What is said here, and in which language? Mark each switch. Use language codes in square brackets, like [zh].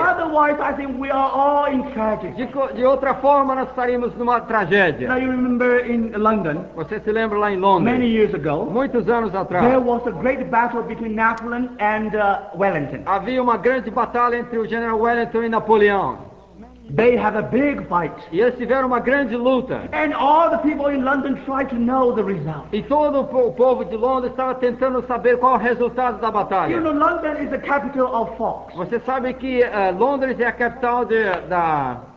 [en] Otherwise, I think we are all in tragedy. [pt] De outra forma, nós estaríamos numa tragédia. [en] Now you remember in London, [pt] você se lembra lá em Londres? [en] Many years ago, [pt] muitos anos atrás. [en] There was a great battle between Napoleon and Wellington. [pt] Havia uma grande batalha entre o general Wellington e Napoleão. [en] They have a big fight. [pt] E eles tiveram uma grande luta. [en] And all the people in London tried to know the result. [pt] E todo o povo de Londres estava tentando saber qual o resultado da batalha. [en] You know, London is the capital of fox. [pt] Você sabe que Londres é a capital da